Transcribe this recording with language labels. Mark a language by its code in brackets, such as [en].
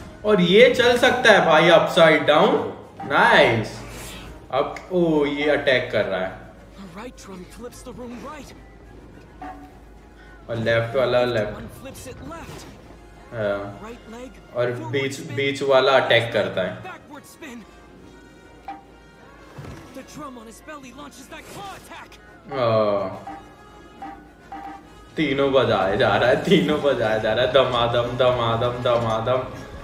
[hi] और ये चल सकता है भाई अपसाइड डाउन, नाइस। अब ओ ये अटैक कर रहा है, [en] right drum flips the room right, [hi] और लेफ्ट वाला लेफ्ट, राइट लेग, और बीच बीच वाला अटैक करता है। [en] The drum on his belly launches that claw attack. [hi] तीनों बजाए जा रहा है, तीनों बजाए जा रहा है, दमादम दमादम दमादम।